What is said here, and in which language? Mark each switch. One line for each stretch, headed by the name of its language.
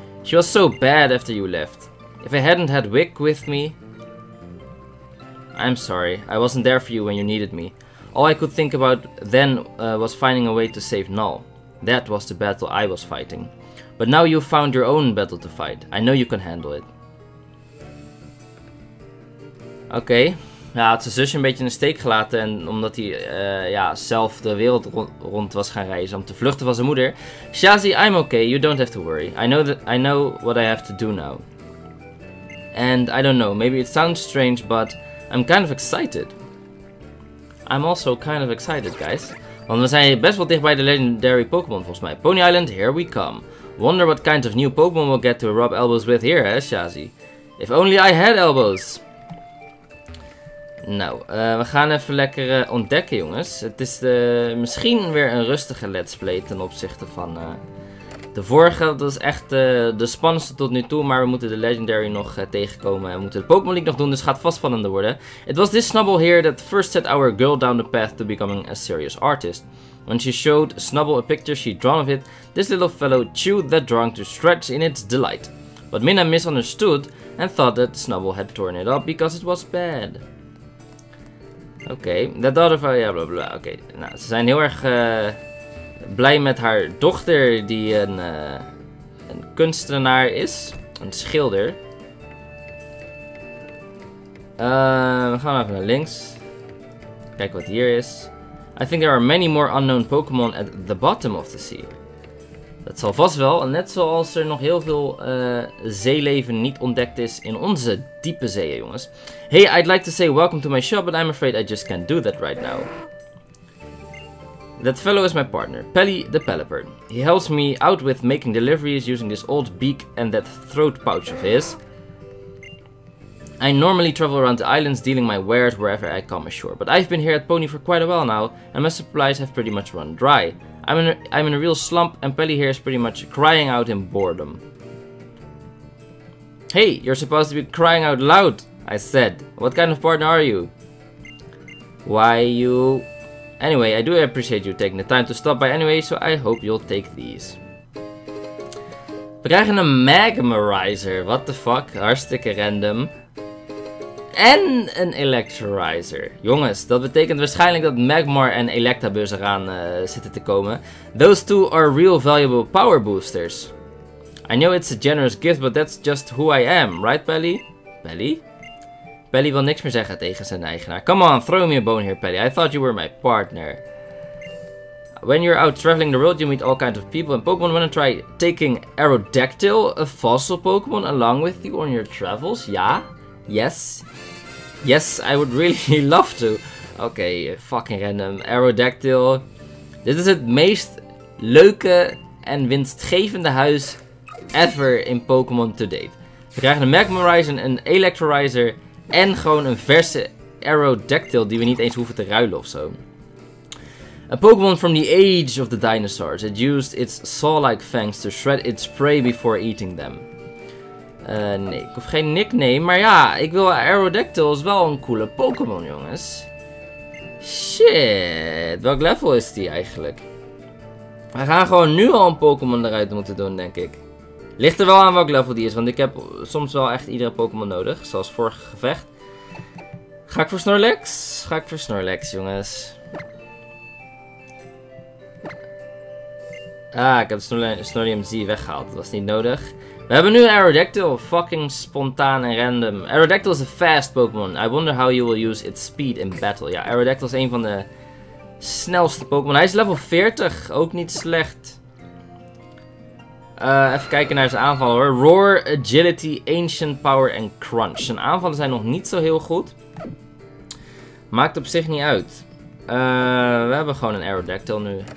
English: She was so bad after you left. If I hadn't had Wick with me... I'm sorry, I wasn't there for you when you needed me. All I could think about then was finding a way to save Null. That was the battle I was fighting. But now you've found your own battle to fight. I know you can handle it. Okay.
Dutch: Ja, had zijn zusje een beetje in de steek gelaten. En omdat hij zelf de wereld rond was gaan reizen om te vluchten van zijn moeder.
English: Shazi, I'm okay. You don't have to worry. I know what I have to do now. And I don't know. Maybe it sounds strange, but... I'm kind of excited. I'm also kind of excited, guys.
Dutch: Want we zijn best wel dicht bij de legendary Pokémon, volgens mij.
English: Pony Island, here we come. Wonder what kind of new Pokémon we'll get to rub elbows with here, hè, Shazi? If only I had elbows!
Dutch: Nou, we gaan even lekker ontdekken, jongens. Het is misschien weer een rustige Let's Play ten opzichte van de vorige. Dat is echt de spannendste tot nu toe. Maar we moeten de Legendary nog tegenkomen. En we moeten de Pokémon League nog doen. Dus het gaat vast spannender worden.
English: It was this Snubbull here that first set our girl down the path to becoming a serious artist. When she showed Snubbull a picture she'd drawn of it, this little fellow chewed that drawing to stretch in its delight. But Minna misunderstood and thought that Snubbull had torn it up because it was bad.
Dutch: Oké, okay.
English: That daughter of...
Dutch: Ja, blah, blah. Oké, okay. Nou, ze zijn heel erg... Blij met haar dochter die een kunstenaar is. Een schilder. We gaan even naar links. Kijken wat hier is.
English: I think there are many more unknown Pokémon at the bottom of the sea.
Dutch: Dat zal vast wel. Net zoals er nog heel veel zeeleven niet ontdekt is in onze diepe zeeën, jongens.
English: Hey, I'd like to say welcome to my shop, but I'm afraid I just can't do that right now. That fellow is my partner, Pelly the Pelipper. He helps me out with making deliveries using this old beak and that throat pouch of his. I normally travel around the islands dealing my wares wherever I come ashore, but I've been here at Pony for quite a while now, and my supplies have pretty much run dry. I'm in a real slump, and Pelly here is pretty much crying out in boredom. Hey, you're supposed to be crying out loud, I said. What kind of partner are you? Why you... Anyway, I do appreciate you taking the time to stop by anyway, so I hope you'll take these.
Dutch: We krijgen een Magmarizer,
English: what the fuck,
Dutch: hartstikke random. En een Electrorizer. Jongens, dat betekent waarschijnlijk dat Magmar en Electabuzz eraan zitten te komen.
English: Those two are real valuable power boosters. I know it's a generous gift, but that's just who I am, right Pelly? Pelly?
Dutch: Pelly wil niks meer zeggen tegen zijn eigenaar.
English: Come on, throw me a bone here, Pelly. I thought you were my partner. When you're out traveling the world, you meet all kinds of people and Pokémon. Wanna try taking Aerodactyl, a fossil Pokémon, along with you on your travels? Ja? Yes? Yes, I would really love to. Okay, fucking random. Aerodactyl.
Dutch: Dit is het meest leuke en winstgevende huis ever in Pokémon to date. We krijgen een Magmarizer, een Electrorizer en gewoon een verse Aerodactyl die we niet eens hoeven te ruilen ofzo.
English: A Pokemon from the age of the dinosaurs. It used its saw-like fangs to shred its prey before eating them.
Dutch: Nee, ik hoef geen nickname, maar ja, ik wil Aerodactyl is wel een coole Pokemon, jongens. Shit, welk level is die eigenlijk? We gaan gewoon nu al een Pokemon eruit moeten doen, denk ik. Ligt er wel aan welk level die is, want ik heb soms wel echt iedere Pokemon nodig, zoals vorig gevecht. Ga ik voor Snorlax? Ga ik voor Snorlax, jongens. Ah, ik heb Snorlium Z weggehaald. Dat was niet nodig. We hebben nu Aerodactyl. Fucking spontaan en random.
English: Aerodactyl is a fast Pokémon. I wonder how you will use its speed in battle.
Dutch: Ja, Aerodactyl is een van de snelste Pokémon. Hij is level 40. Ook niet slecht. Even kijken naar zijn aanvallen hoor. Roar, Agility, Ancient Power en Crunch. Zijn aanvallen zijn nog niet zo heel goed. Maakt op zich niet uit. We hebben gewoon een Aerodactyl nu.